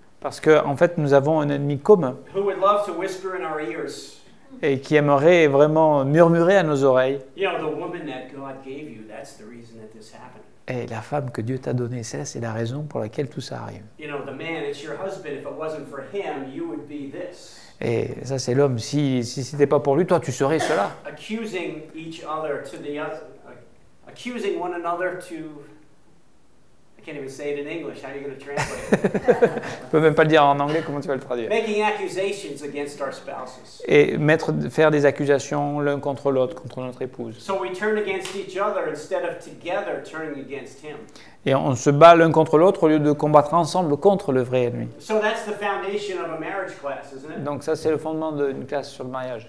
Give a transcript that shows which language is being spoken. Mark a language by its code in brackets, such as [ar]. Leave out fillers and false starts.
[fr] Parce que, en fait, nous avons un ennemi commun. [en] Who would love to whisper in our ears. [fr] Et qui aimerait vraiment murmurer à nos oreilles. [en] You know, the woman that God gave you, that's the reason that this happened. [fr] Et la femme que Dieu t'a donnée, c'est la raison pour laquelle tout ça arrive. [en] You know, the man, it's your husband. If it wasn't for him, you would be this. [fr] Et ça, c'est l'homme. Si c'était pas pour lui, toi, tu serais cela. [en] Accusing each other to the other. Accusing one another to. I can't even say it in English. How are you going to translate it? [fr] Je peux même pas le dire en anglais. Comment tu vas le traduire? [en] Making accusations against our spouses. [fr] Et faire des accusations l'un contre l'autre, contre notre épouse. [en] So we turn against each other instead of together turning against him. [fr] Et on se bat l'un contre l'autre au lieu de combattre ensemble contre le vrai ennemi. [en] So that's the foundation of a marriage class, isn't it? [fr] Donc ça, c'est le fondement d'une classe sur le mariage.